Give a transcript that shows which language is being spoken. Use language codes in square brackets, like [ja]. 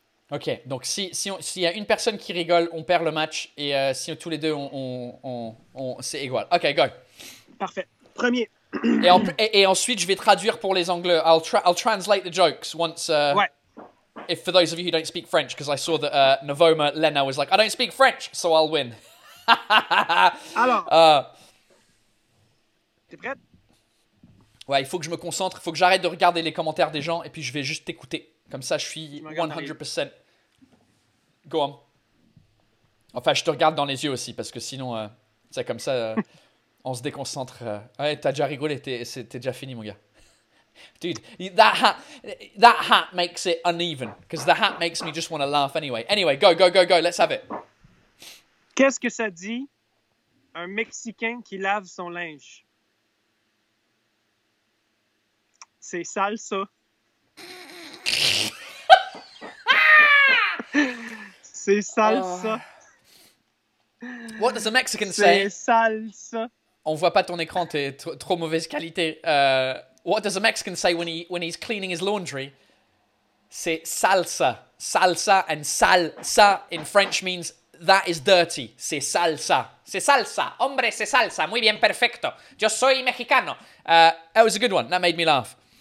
[fr] Ok, donc s'il y a une personne qui rigole, on perd le match. Et si tous les deux, on c'est égal. Ok, go. Parfait. Premier. Et ensuite, je vais traduire pour les Anglais. [en] I'll translate the jokes once. [fr] Ouais. [en] If for those of you who don't speak French, because I saw that Navoma Lena was like, I don't speak French, so I'll win. [fr] Alors. T'es prêt? Ouais, il faut que je me concentre. Il faut que j'arrête de regarder les commentaires des gens et puis je vais juste t'écouter. Comme ça, je suis 100%. [en] Go on. [fr] Enfin, je te regarde dans les yeux aussi, parce que sinon, c'est comme ça, on se déconcentre. Ouais, t'as déjà rigolé, t'es déjà fini, mon gars. [en] Dude, that hat makes it uneven, because the hat makes me just want to laugh anyway. Anyway, go, let's have it. [fr] Qu'est-ce que ça dit, un Mexicain qui lave son linge? C'est sale, ça. C'est salsa. [en] What does a Mexican say? [fr] C'est salsa. On voit pas ton écran, t'es trop mauvaise qualité. [en] What does a Mexican say when he's cleaning his laundry? [fr] C'est salsa. [en] Salsa and salsa in French means that is dirty. [fr] C'est salsa. C'est salsa. Hombre, c'est salsa. [es] Muy bien, perfecto. Yo soy mexicano. [en] That was a good one. That made me laugh.